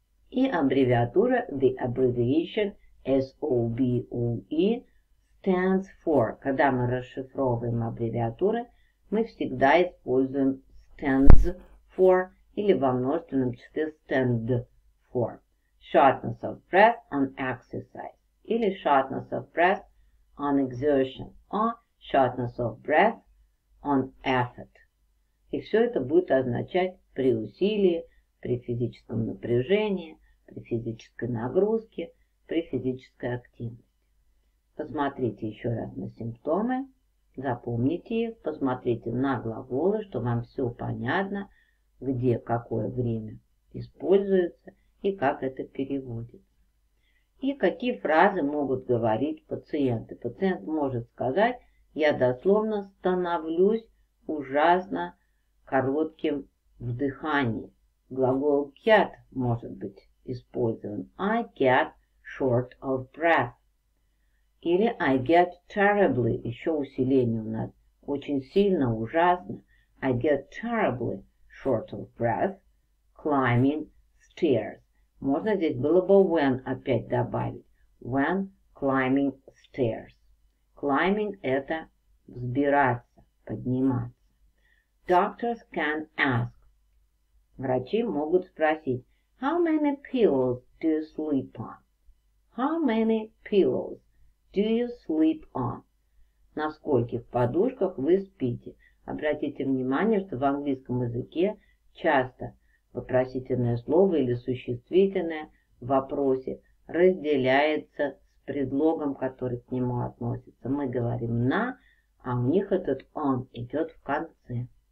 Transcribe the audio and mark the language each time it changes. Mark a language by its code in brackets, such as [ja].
[ru] И аббревиатура, the abbreviation, SOBOE, [en] stands for, [ru] когда мы расшифровываем аббревиатуры, мы всегда используем stands for, или во множественном числе [en] stand for. Shortness of breath on exercise. Или shortness of breath on exertion. Or shortness of breath on effort. [ru] И все это будет означать при усилии, при физическом напряжении, при физической нагрузке, при физической активности. Посмотрите еще раз на симптомы, запомните их, посмотрите на глаголы, чтобы вам все понятно, где какое время используется и как это переводится. И какие фразы могут говорить пациенты. Пациент может сказать: я дословно становлюсь ужасно коротким в дыхании. Глагол get может быть использован. [en] I get short of breath. [ru] Или [en] I get terribly, [ru] еще усиление у нас, очень сильно, ужасно. [en] I get terribly short of breath climbing stairs. [ru] Можно здесь было бы when опять добавить. [en] When climbing stairs. [ru] Climbing — это взбираться, подниматься. [en] Doctors can ask. [ru] Врачи могут спросить: [en] how many pillows do you sleep on? How many pillows do you sleep on? [ru] На скольких подушках вы спите? Обратите внимание, что в английском языке часто вопросительное слово или существительное в вопросе разделяется с предлогом, который к нему относится. Мы говорим «на», а у них этот «on» идет в конце.